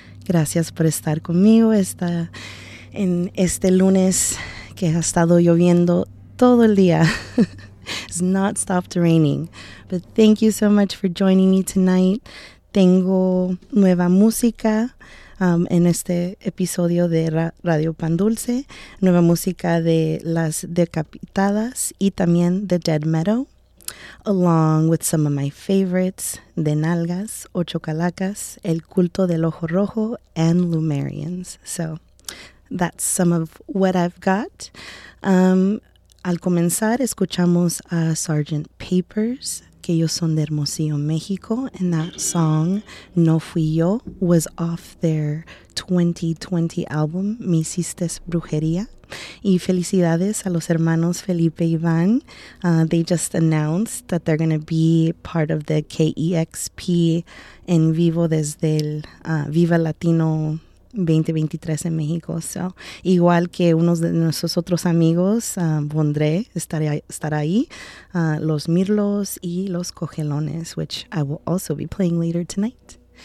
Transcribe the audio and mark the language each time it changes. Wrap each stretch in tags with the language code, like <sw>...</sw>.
<es>Gracias por estar conmigo esta, en este lunes que ha estado lloviendo todo el día.</es> <en>It's not stopped raining. But thank you so much for joining me tonight.</en> <es>Tengo nueva música en este episodio de Radio Pan Dulce, nueva música de Las Decapitadas y también de Dead Meadow,</es> <en>along with some of my favorites,</en> <es>De Nalgas, Ocho Calacas, El Culto del Ojo Rojo, and Lumerians.</es> <en>So that's some of what I've got.</en> <es>Al comenzar, escuchamos a Sergeant Papers, que ellos son de Hermosillo, México,</es> <en>and that song, No Fui Yo, was off their 2020 album,</en> <es>Me Hiciste Brujería. Y felicidades a los hermanos Felipe y Iván.</es> <en>They just announced that they're going to be part of the KEXP</en> <es>en vivo desde el Viva Latino 2023 en México. So, igual que unos de nuestros otros amigos, Bondré estará ahí, los Mirlos y los Cogelones,</es> <en>which I will also be playing later tonight.</en>